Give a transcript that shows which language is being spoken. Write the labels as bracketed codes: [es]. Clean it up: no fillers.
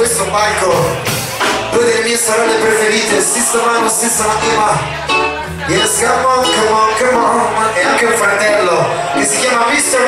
[it] palco, due delle mie sorelle preferite, Sister Manu, Sister Anima. [en] Yes, come on, come on, come on. [it] E anche un fratello che si chiama Mr.